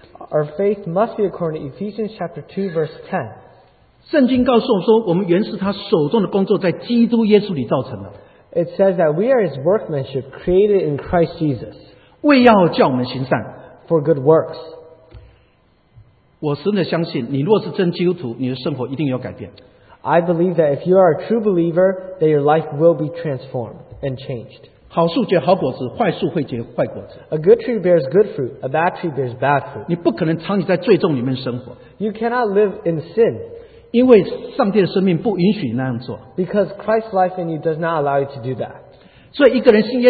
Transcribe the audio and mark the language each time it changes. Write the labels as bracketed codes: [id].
[en] Our faith must be according to Ephesians chapter 2, verse 10. [zh] 圣经告诉我们说，我们原是他手中的工作，在基督耶稣里造成的。 [en] It says that we are his workmanship created in Christ Jesus. [zh] 为要叫我们行善。 [en] For good works. [zh] 我真的相信，你若是真基督徒，你的生活一定有改变。 [en] I believe that if you are a true believer, that your life will be transformed and changed. [zh] 好树结好果子，坏树会结坏果子。 [en] A good tree bears good fruit, a bad tree bears bad fruit. [zh] 你不可能长期在罪中里面生活。 [en] You cannot live in sin. [zh] 因为上帝的生命不允许你那样做。 [en] Because Christ's life in you does not allow you to do that.